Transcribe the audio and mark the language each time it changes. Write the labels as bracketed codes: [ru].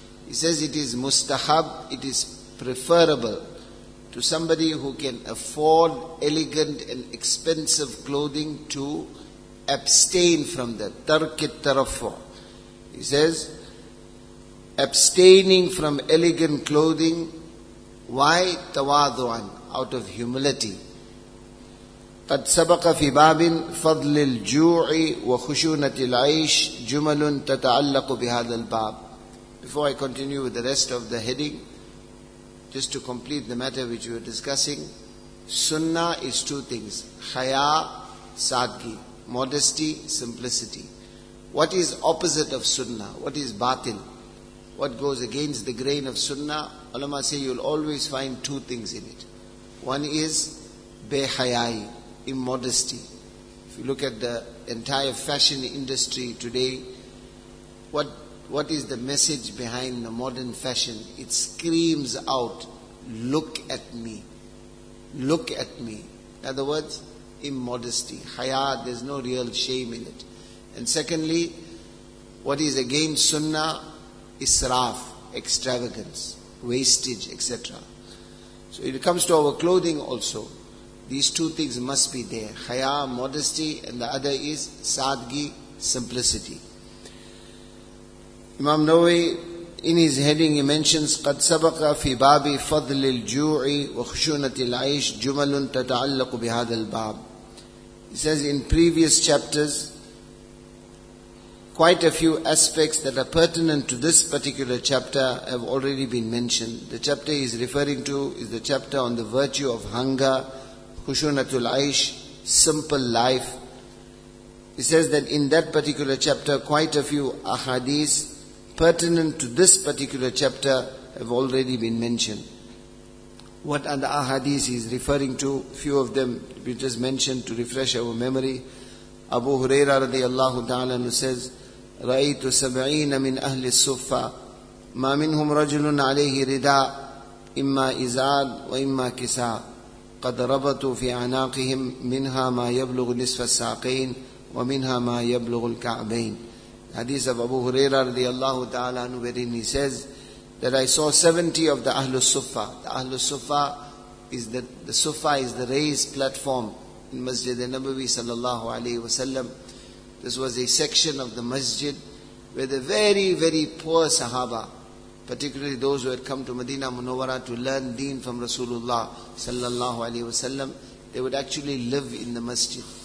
[en] He says it is mustahab, it is preferable to somebody who can afford elegant and expensive clothing to abstain from that. Tark al-tarafu. He says, abstaining from elegant clothing, why? Tawadu'an, out of humility. [ar] قد سبق في باب فضل الجوع وخشونة العيش جمل تتعلق بهذا الباب. [en] Before I continue with the rest of the heading, just to complete the matter which we were discussing, sunnah is two things, haya, sadgi, modesty, simplicity. What is opposite of sunnah? What is batil? What goes against the grain of sunnah? Ulama say you'll always find two things in it. One is behayai, immodesty. If you look at the entire fashion industry today, what what is the message behind the modern fashion? It screams out, look at me. Look at me. In other words, immodesty. Haya, there's no real shame in it. And secondly, what is again sunnah? Israf, extravagance, wastage, etc. So it comes to our clothing also. These two things must be there. Haya, modesty, and the other is sadgi, simplicity. Imam Nawawi, in his heading, he mentions, [ar] قَدْ سَبَقَ فِي بَابِ فَضْلِ الْجُوعِ وَخُشُونَةِ الْعَيْشِ جُمَلٌ تَتَعَلَّقُ بِهَذَا الْبَابِ. [en] He says, in previous chapters, quite a few aspects that are pertinent to this particular chapter have already been mentioned. The chapter he is referring to is the chapter on the virtue of hunger, khushunatul aish, simple life. He says that in that particular chapter, quite a few ahadith pertinent to this particular chapter have already been mentioned. What are the ahadith he is referring to? Few of them we just mentioned to refresh our memory. [ar] Abu Huraira radiallahu ta'ala [en] who says, [ar] رأيت سبعين من أهل الصفة ما منهم رجل عليه رداء إما إزار وإما كساء قد ربطوا في أعناقهم منها ما يبلغ نصف الساقين ومنها ما يبلغ الكعبين. [en] Hadith of Abu Huraira radiallahu ta'ala anhu, wherein he says that I saw 70 of the Ahlul Sufa. The Ahlul Sufa is the Sufa is the raised platform in Masjid al-Nabawi sallallahu alayhi wa sallam. This was a section of the masjid where the very, very poor sahaba, particularly those who had come to Medina Munawwara to learn deen from Rasulullah sallallahu alayhi wa sallam, they would actually live in the masjid.